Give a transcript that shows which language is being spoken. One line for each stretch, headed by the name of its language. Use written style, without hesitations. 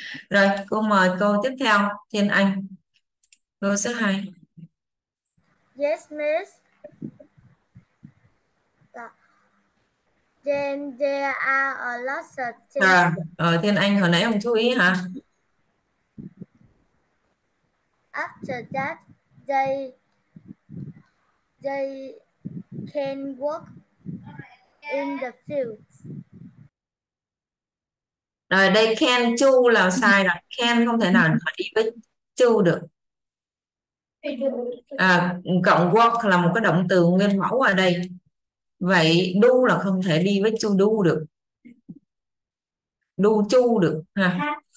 Vietnamese: Rồi cô mời cô tiếp theo Thiên Anh, cô số 2.
English: Yes miss. Then there are a lot of things.
Vietnamese: À, ở Thiên Anh hồi nãy không chú ý hả?
English: After that, they can work in the fields.
Vietnamese: Rồi đây can chu là sai rồi. Can không thể nào đi với chu được. À, cộng work là một cái động từ nguyên mẫu ở đây. Vậy đu là không thể đi với chu đu được. Đu chu được ha.